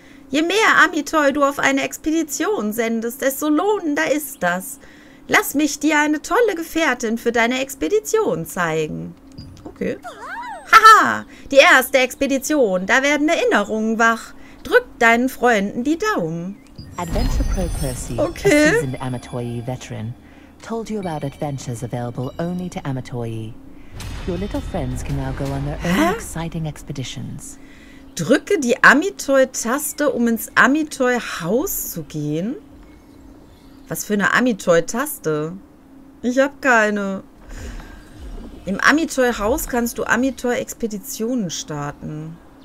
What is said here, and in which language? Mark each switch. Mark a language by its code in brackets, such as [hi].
[de] Je mehr Amitoy du auf eine Expedition sendest, desto lohnender ist das. Lass mich dir eine tolle Gefährtin für deine Expedition zeigen. Okay. Haha, die erste Expedition. Da werden Erinnerungen wach. Drück deinen Freunden die Daumen. [en] Adventure Pro Percy, okay. A seasoned Amitoy veteran, told you about adventures available only to Amitoy. Your little friends can now go on their own exciting expeditions. [de] Drücke die Amitoy-Taste, um ins Amitoy-Haus zu gehen. Was für eine Amitoy-Taste? Ich hab keine. Im Amitoy-Haus kannst du Amitoy-Expeditionen starten.